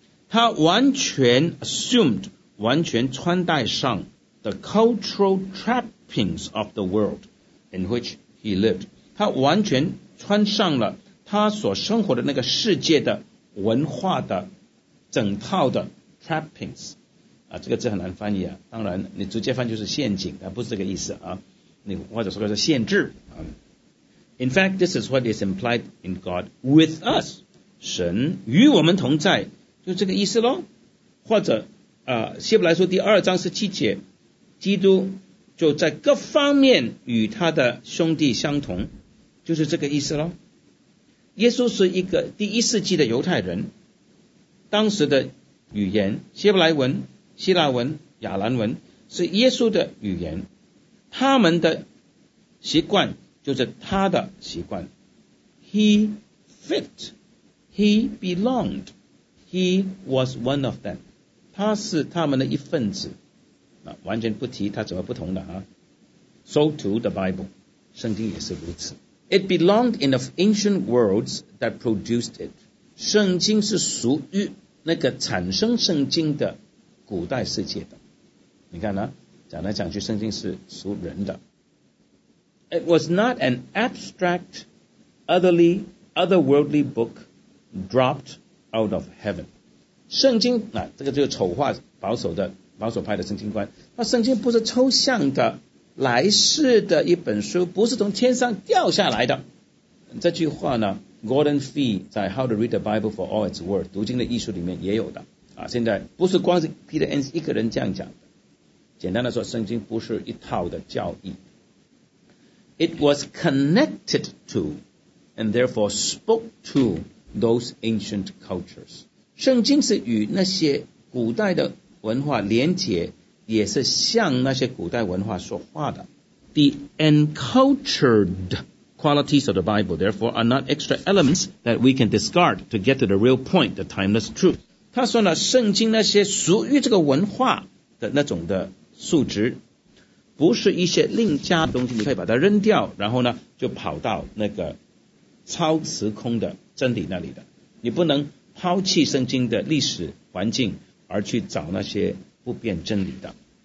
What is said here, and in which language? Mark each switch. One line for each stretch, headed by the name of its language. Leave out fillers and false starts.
Chinese: 他完全
English: assumed,
Chinese: 完全穿戴上
English: the cultural trappings of the world in which he lived.
Chinese: 他完全穿上了他所生活的那个世界的文化的整套的 trappings。啊，这个字很难翻译啊，当然你直接翻就是陷阱，但不是这个意思啊，你或者说是限制啊。
English: In fact, this is what is implied in God with us.
Chinese: 神与我们同在，就这个意思咯。或者啊，希伯来书第二章十七节，基督就在各方面与他的兄弟相同，就是这个意思咯。耶稣是一个第一世纪的犹太人，当时的语言希伯来文、希腊文、亚兰文是耶稣的语言，他们的习惯就是他的习惯。
English: He fit, he belonged, he was one of them.
Chinese: 他是他们的一份子，完全不提他怎么不同的啊。
English: So too the Bible,
Chinese: 圣经也是如此。
English: It belonged in the ancient worlds that produced it.
Chinese: 圣经是属于那个产生圣经的古代世界的，你看呢，讲来讲去圣经是属人的。
English: It was not an abstract otherly otherworldly book dropped out of heaven.
Chinese: 圣经、啊、这个就是丑化保守派的圣经观，那圣经不是抽象的来世的一本书，不是从天上掉下来的。这句话呢 Gordon Fee 在 How to Read the Bible for All It's Worth 读经的艺术里面也有的啊，现在不是光是 Peter Enns 一个人这样讲的。简单的说，圣经不是一套的教义。
English: It was connected to, and therefore spoke to those ancient cultures.
Chinese: 圣经是与那些古代的文化连结，也是向那些古代文化说话的。
English: The encultured qualities of the Bible, therefore, are not extra elements that we can discard to get to the real point, the timeless truth.
Chinese: 他说呢，圣经那些属于这个文化的那种的数值，不是一些另加的东西，你可以把它扔掉，然后呢就跑到那个超时空的真理那里的。你不能抛弃圣经的历史环境而去找那些不变真理的。